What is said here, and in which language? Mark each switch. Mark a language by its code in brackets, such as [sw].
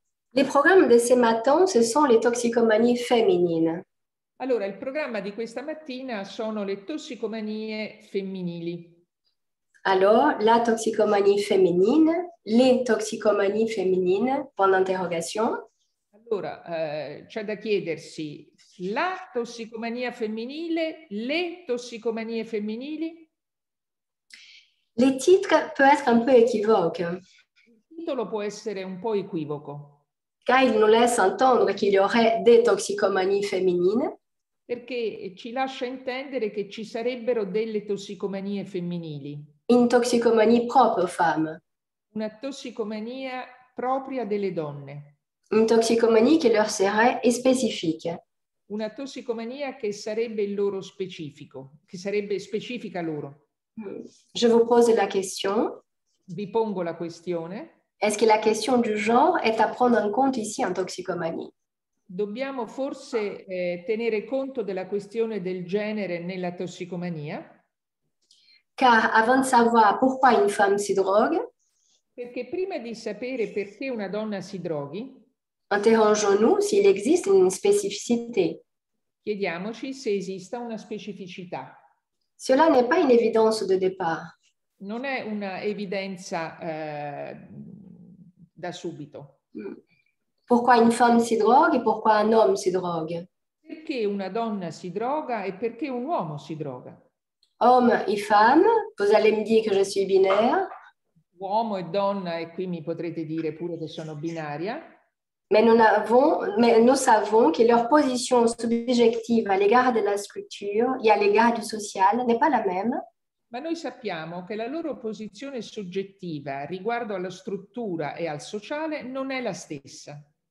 [fr] Les programmes de ce matin, ce sont les toxicomanies féminines. [it] Allora, il programma di questa mattina sono le tossicomanie femminili. [fr] Alors, la toxicomanie féminine, les toxicomanies féminines, point d'interrogation. [it] Allora, c'è da chiedersi, la tossicomania femminile, le tossicomanie femminili? [fr] Le titre peut être un peu équivoque. [it] Il titolo può essere un po' equivoco. [fr] Car il nous laisse entendre qu'il y aurait des toxicomanies féminines. [it] Perché ci lascia intendere che ci sarebbero delle tossicomanie femminili. [fr] Une toxicomanie propre aux femmes. [it] Una tossicomania propria delle donne. [fr] Une toxicomanie qui leur serait spécifique. [it] Una tossicomania che sarebbe il loro specifico, che sarebbe specifica loro. [fr] Je vous pose la question. [it] Vi pongo la questione. [fr] Est-ce que la question du genre est à prendre en compte ici en toxicomanie? [it] Dobbiamo forse tenere conto della questione del genere nella tossicomania? [fr] Car avant de savoir pourquoi une femme si drogue, [it] perché prima di sapere perché una donna si droghi, [fr] interrogeons-nous s'il existe une spécificité. [it] Chiediamoci se esista una specificità. [fr] Cela n'est pas une évidence de départ. [it] Non è una evidenza da subito. [fr] Pourquoi une femme si drogue et pourquoi un homme si drogue? [it] Perché una donna si droga e perché un uomo si droga? [fr] Homme et femme, vous allez me dire que je suis binaire. [it] Uomo e donna, e qui mi potrete dire pure che sono binaria. [fr] Mais nous savons que leur position subjective à l'égard de la structure et à l'égard du social n'est pas la même. [it] Ma noi sappiamo che la loro posizione soggettiva riguardo alla struttura e al sociale non è la stessa.